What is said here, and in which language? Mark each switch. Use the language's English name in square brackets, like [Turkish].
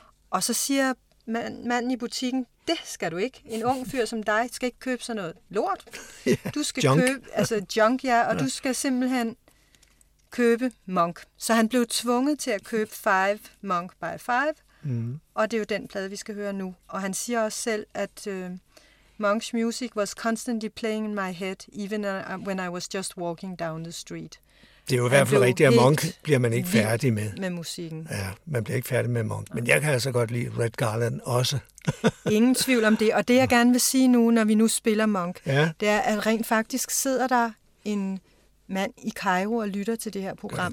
[Danish] Og så siger manden i butikken, det skal du ikke. En ung fyr som dig skal ikke købe sådan noget lort. Du skal [English] junk, [Danish] du skal simpelthen købe Monk. Så han blev tvunget til at købe Five Monk by Five, og det er jo den plade, vi skal høre nu. Og han siger også selv, at [English] Monk's music was constantly playing in my head, even when I was just walking down the street. [Danish] Det er jo i hvert fald rigtigt, at Monk bliver man ikke færdig med. Med musikken. Ja, man bliver ikke færdig med Monk. Men jeg kan altså godt lide Red Garland også. Ingen tvivl om det. Og det, jeg gerne vil sige nu, når vi nu spiller Monk, ja, det er, at rent faktisk sidder der en mand i Cairo og lytter til det her program.